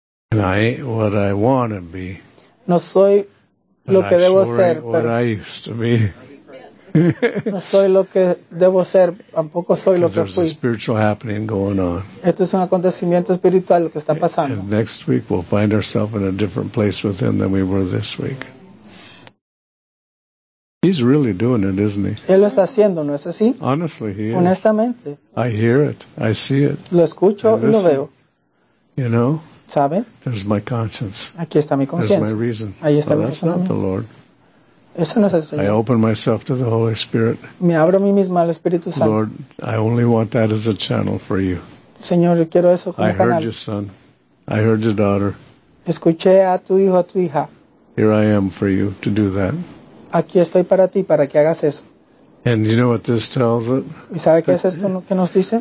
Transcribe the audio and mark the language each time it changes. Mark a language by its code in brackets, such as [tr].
[en] And I ain't what I want to be. [es] No soy lo que debo ser. [en] But I used to be. [es] No soy lo que debo ser, tampoco soy lo que fui. [en] There's a spiritual happening going on. [es] Esto es un acontecimiento espiritual lo que está pasando. [en] And next week we'll find ourselves in a different place with him than we were this week. He's really doing it, isn't he? [es] Él lo está haciendo, ¿no es así? [en] Honestly, he is. [es] Honestamente. [en] I hear it. I see it. [es] Lo escucho y lo veo. [en] You know? [es] ¿Sabe? [en] There's my conscience. [es] Aquí está mi conciencia. [en] There's my reason. [es] Ahí está mi razón. [en] That's not the Lord. [es] Eso no es el Señor. [en] I open myself to the Holy Spirit. [es] Me abro a mí misma al Espíritu Santo. [en] Lord, I only want that as a channel for you. [es] Señor, yo quiero eso como [en] I [es] canal. [en] Heard you, son. I heard your daughter. [es] Escuché a tu hijo, a tu hija. [en] Here I am for you to do that. [es] Aquí estoy para ti, para que hagas eso. [en] And you know what this tells it? [es] ¿Y sabe qué es esto que nos dice?